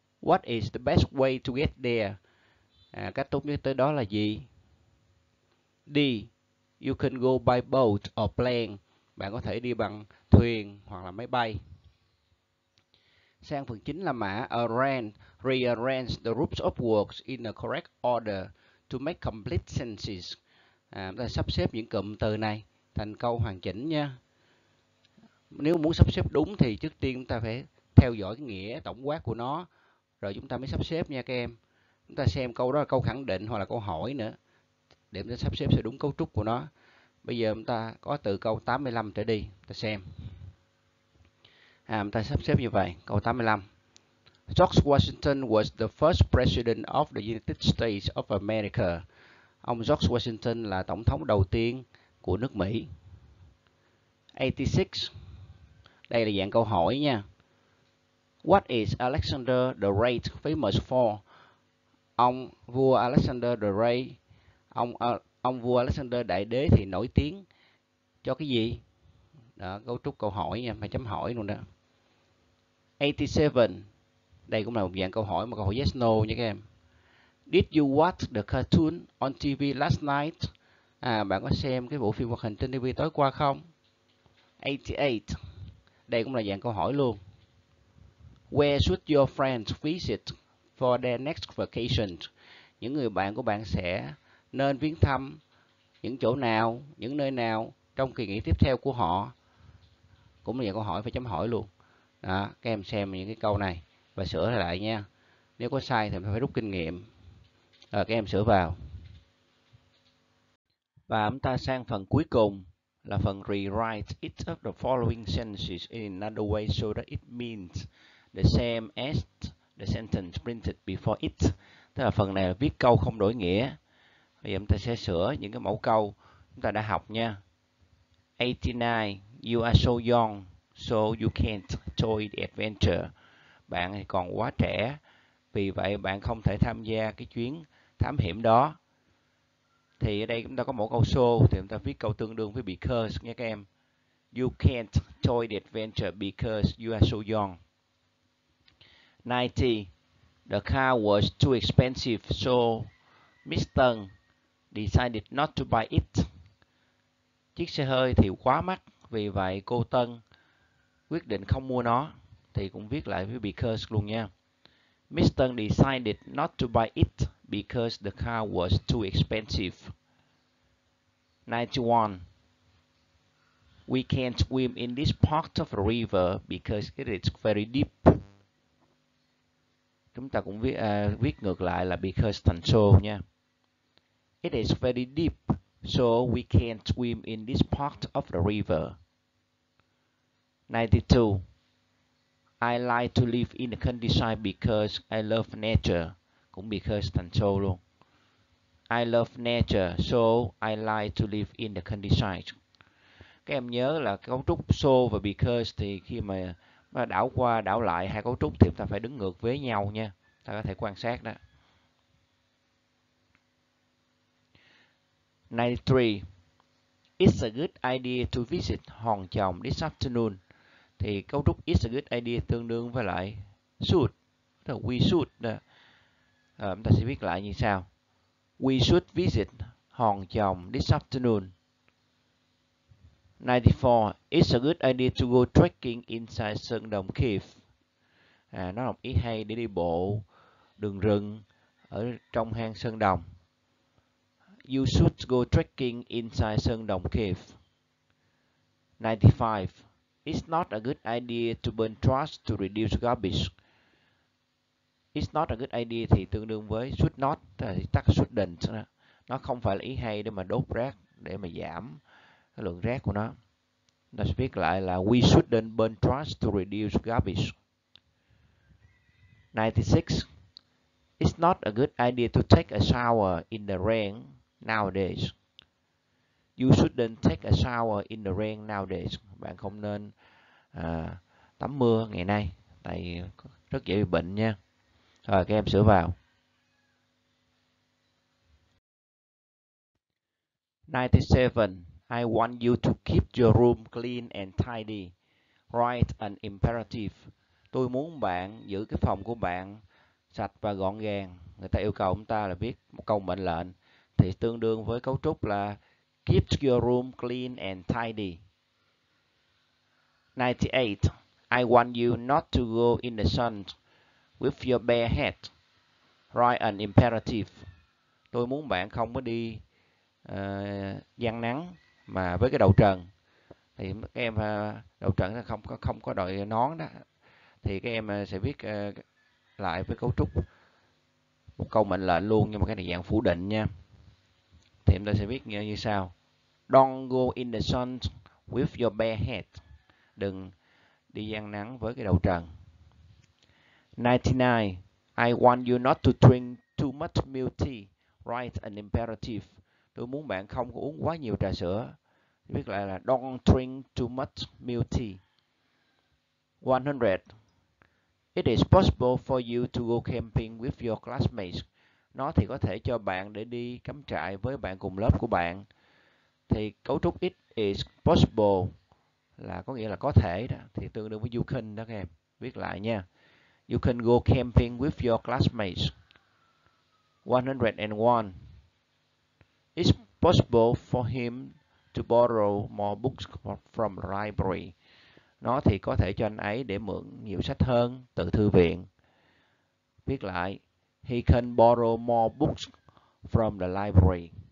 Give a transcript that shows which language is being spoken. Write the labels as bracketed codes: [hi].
[en] What is the best way to get there? [vi] À, cách tốt nhất tới đó là gì? D. [en] You can go by boat or plane. [vi] Bạn có thể đi bằng thuyền hoặc là máy bay. Sang phần chính là mã arrange. [en] Rearrange the groups of words in the correct order to make complete sentences. [vi] Chúng ta sắp xếp những cụm từ này thành câu hoàn chỉnh nha. Nếu muốn sắp xếp đúng thì trước tiên chúng ta phải theo dõi cái nghĩa tổng quát của nó, rồi chúng ta mới sắp xếp nha các em. Chúng ta xem câu đó là câu khẳng định hoặc là câu hỏi nữa, để chúng ta sắp xếp sự đúng cấu trúc của nó. Bây giờ chúng ta có từ câu 85 trở đi, chúng ta xem. Chúng ta sắp xếp như vậy, câu 85. [en] George Washington was the first president of the United States of America. [vi] Ông George Washington là tổng thống đầu tiên của nước Mỹ. 86. Đây là dạng câu hỏi nha. [en] What is Alexander the Great famous for? [vi] Ông vua Alexander the Great, ông vua Alexander Đại Đế thì nổi tiếng cho cái gì? Đó, cấu trúc câu hỏi nha, mà chấm hỏi luôn đó. 87. Đây cũng là một dạng câu hỏi, mà câu hỏi yes no nha các em. [en] Did you watch the cartoon on TV last night? [vi] À, bạn có xem cái bộ phim hoạt hình trên TV tối qua không? 88. Đây cũng là dạng câu hỏi luôn. [en] Where should your friends visit for their next vacation? [vi] Những người bạn của bạn sẽ nên viếng thăm những chỗ nào, những nơi nào trong kỳ nghỉ tiếp theo của họ? Cũng là dạng câu hỏi phải chấm hỏi luôn. Đó, các em xem những cái câu này và sửa lại nha. Nếu có sai thì phải rút kinh nghiệm. Rồi, các em sửa vào. Và chúng ta sang phần cuối cùng là phần [en] rewrite each of the following sentences in another way so that it means the same as the sentence printed before it. [vi] Tức là phần này là viết câu không đổi nghĩa. Bây giờ chúng ta sẽ sửa những cái mẫu câu chúng ta đã học nha. 89. [en] You are so young, so you can't join the adventure. [vi] Bạn thì còn quá trẻ, vì vậy bạn không thể tham gia cái chuyến thám hiểm đó. Thì ở đây chúng ta có một câu so, thì chúng ta viết câu tương đương với because nha các em. [en] You can't join the adventure because you are so young. 90. The car was too expensive, so Mr. decided not to buy it. [vi] Chiếc xe hơi thì quá mắc, vì vậy cô Tân quyết định không mua nó. Thì cũng viết lại với because luôn nha. [en] Mr. decided not to buy it because the car was too expensive. 91. We can't swim in this part of the river because it is very deep. [vi] Chúng ta cũng viết viết ngược lại là because thành so nha. [en] It is very deep, so we can't swim in this part of the river. 92. I like to live in the countryside because I love nature. [vi] Cũng because thành so luôn. [en] I love nature, so I like to live in the countryside. [vi] Các em nhớ là cấu trúc so và because thì khi mà đảo qua đảo lại hai cấu trúc thì ta phải đứng ngược với nhau nha. Ta có thể quan sát đó. 93. [en] It's a good idea to visit Hòn Chồng this afternoon. [vi] Thì cấu trúc [en] is a good idea [vi] tương đương với lại should, là we should. Chúng ta sẽ viết lại như sau. [en] We should visit Hòn Chồng this afternoon. [vi] 94. [en] It's a good idea to go trekking inside Sơn Đồng Cave. [vi] À, nó là một ý hay để đi bộ đường rừng ở trong hang Sơn Đồng. [en] You should go trekking inside Sơn Đồng Cave. 95. It's not a good idea to burn trash to reduce garbage. It's not a good idea [vi] thì tương đương với should not, tức là tắt shouldn't. Nó không phải là ý hay để mà đốt rác, để mà giảm cái lượng rác của nó. Nó sẽ viết lại là [en] we shouldn't burn trash to reduce garbage. [vi] 96. [en] It's not a good idea to take a shower in the rain nowadays. You shouldn't take a shower in the rain nowadays. [vi] Bạn không nên tắm mưa ngày nay, tại rất dễ bị bệnh nha. Rồi, các em sửa vào. 97. [en] I want you to keep your room clean and tidy. Write an imperative. [vi] Tôi muốn bạn giữ cái phòng của bạn sạch và gọn gàng. Người ta yêu cầu chúng ta là viết một câu mệnh lệnh. Thì tương đương với cấu trúc là [en] keep your room clean and tidy. [vi] 98. [en] I want you not to go in the sun with your bare head. Write an imperative. [vi] Tôi muốn bạn không có đi giang nắng mà với cái đầu trần. Thì các em đầu trần là không có đội nón đó. Thì các em sẽ viết lại với cấu trúc một câu mệnh lệnh luôn, nhưng mà cái này dạng phủ định nha. Thì chúng ta sẽ viết như sau. [en] Don't go in the sun with your bare head. [vi] Đừng đi giang nắng với cái đầu trần. [en] 99. I want you not to drink too much milk tea. Write an imperative. [vi] Tôi muốn bạn không có uống quá nhiều trà sữa. Viết lại là [en] don't drink too much milk tea. [vi] 100. [en] It is possible for you to go camping with your classmates. [vi] Nó thì có thể cho bạn để đi cắm trại với bạn cùng lớp của bạn. Thì cấu trúc [en] it is possible [vi] là có nghĩa là có thể đó, thì tương đương với you can đó các em. Viết lại nha. [en] You can go camping with your classmates. [vi] 101. [en] It's possible for him to borrow more books from the library. [vi] Nó thì có thể cho anh ấy để mượn nhiều sách hơn từ thư viện. Viết lại. [en] He can borrow more books from the library.